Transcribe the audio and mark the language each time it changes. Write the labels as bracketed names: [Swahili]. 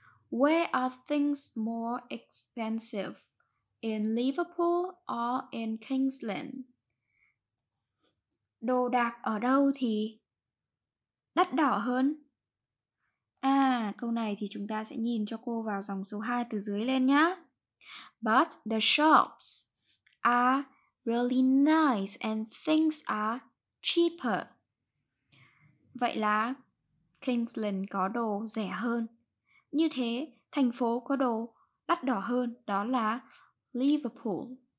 [English] Where are things more expensive, in Liverpool or in King's Lynn? [Vietnamese] Đồ đạc ở đâu thì đắt đỏ hơn? À, câu này thì chúng ta sẽ nhìn cho cô vào dòng số 2 từ dưới lên nhá. [English] But the shops are really nice and things are cheaper. [Vietnamese] Vậy là King's Lynn có đồ rẻ hơn. Như thế, thành phố có đồ đắt đỏ hơn, đó là Liverpool.